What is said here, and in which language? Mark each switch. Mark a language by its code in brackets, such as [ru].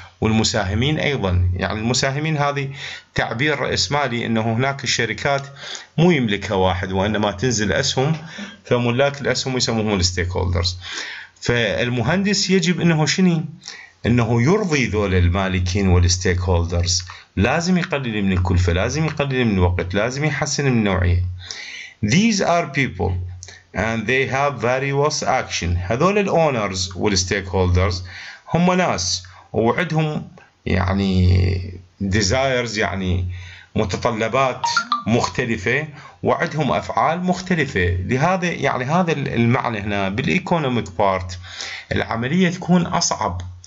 [ar] والمساهمين أيضا، يعني المساهمين هذه تعبير رأسمالي، أنه هناك الشركات مو يملكها واحد وإنما تنزل أسهم، فملاك الأسهم يسموهم الستيك هولدرز. فالمهندس يجب أنه شني؟ أنه يرضي ذول المالكين والستيك هولدرز. لازم يقلل من الكلفة، لازم يقلل من الوقت، لازم يحسن من النوعية. [en] These are people and they have various action. [ar] هذول الـ owners والـ stakeholders هم ناس وعندهم يعني desires، يعني متطلبات مختلفة، وعندهم أفعال مختلفة. لهذا يعني هذا المعنى هنا بالـ [en] economic part [ar] العملية تكون أصعب.